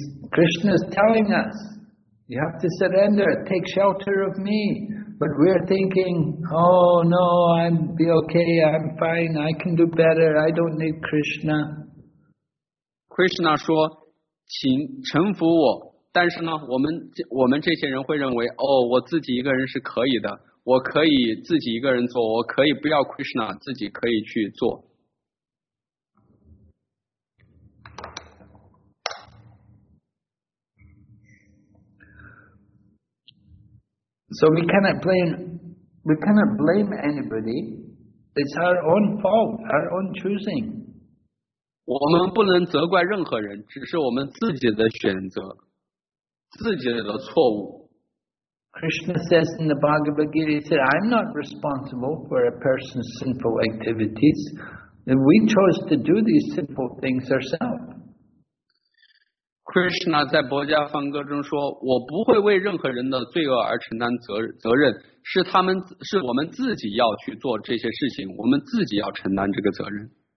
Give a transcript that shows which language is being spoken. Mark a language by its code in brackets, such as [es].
[en] Krishna is telling us. You have to surrender, take shelter of me. But we're thinking, oh no, I'll be okay, I'm fine, I can do better, I don't need Krishna. [zh] Krishna 说，请臣服我。但是呢，我们这些人会认为，哦，我自己一个人是可以的，我可以自己一个人做，我可以不要 Krishna， 自己可以去做。 [en] So we cannot blame anybody. It's our own fault, our own choosing. [zh] 我们不能责怪任何人，只是我们自己的选择，自己的错误。 [en] Krishna says in the Bhagavad Gita, he said, "I'm not responsible for a person's sinful activities. We chose to do these sinful things ourselves." [zh] Krishna 在薄伽梵歌中说，我不会为任何人的罪恶而承担责任，是我们自己要去做这些事情，我们自己要承担这个责任。